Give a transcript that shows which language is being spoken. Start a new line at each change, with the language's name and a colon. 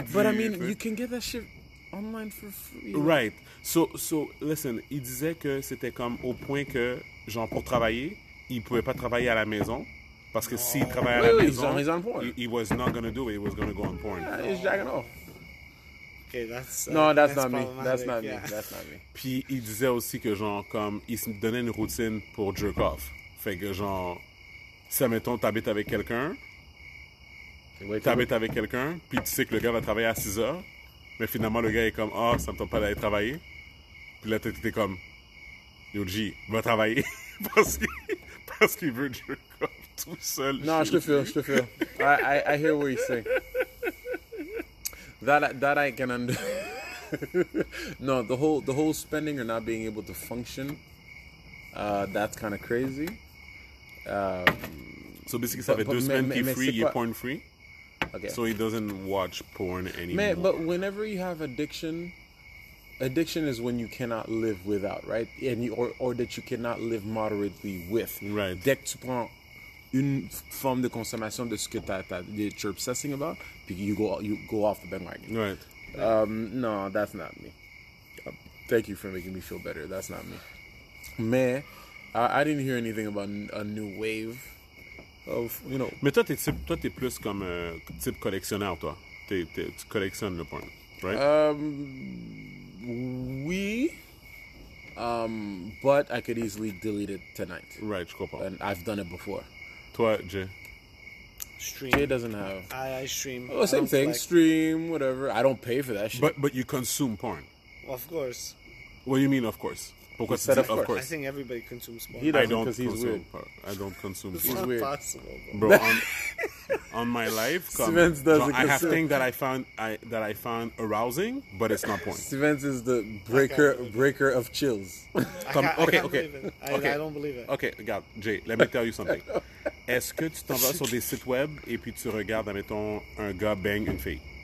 English: But I mean, you can get that shit online for free. Right.
French: So listen, il disait que c'était comme au point que, genre, pour travailler, il ne pouvait pas travailler à la maison. Parce que s'il travaillait à la maison,
English: he's on porn. He was not going to do it. He was going to go on porn. Yeah, he's jacking off. Okay, that's not me.
French: Puis il disait aussi que genre comme il se donnait une routine pour jerk off. Fait que genre ça mettons t'habites avec quelqu'un. T'habites avec quelqu'un, puis tu sais que le gars va travailler à 6 heures, mais finalement le gars est comme ça me tente pas d'aller travailler. Puis là t'es comme yo G, va travailler parce qu'il veut jerk off tout seul. Non, je te fais.
English: I hear what you're saying. That I can under. No, the whole spending or not being able to function, that's kind of crazy. So basically,
French: ça fait deux semaines qu'il est free, il est porn free.
English: Okay. So he doesn't watch porn anymore. But whenever you have addiction, addiction is when you cannot live without, right? And or that you cannot live moderately with. Right.
French: Dès que tu prends une forme de consommation de ce que
English: you're obsessing about,
French: puis
English: you go off the bandwagon. Right. No, that's not me. Thank you for making me feel better. That's not me. Mais, I didn't hear anything about a new wave. of, you know.
French: Mais toi, t'es plus comme type collectionneur, toi. Tu collectionnes le porn, right?
English: Oui. But I could easily delete it tonight.
French: Right, je comprends.
English: And I've done it before.
French: Toi, Jay?
English: Stream. Jay doesn't have. I stream. Oh, same thing. Collect. Stream, whatever. I don't pay for that shit. But you consume porn. Of course. What do you mean, of course? Because said, of course. I think everybody consumes porn. He doesn't, because he's weird. I don't consume porn. It's not weird. Possible, bro. on my life, Stevens doesn't consume. I have things that I found arousing, but it's not porn. Stevens is the breaker of chills. I don't believe it. Okay, regarde, Jay, let me tell you something.
French: Est-ce que tu t'en vas sur des sites web et puis tu regardes, admettons, un gars bang une fille?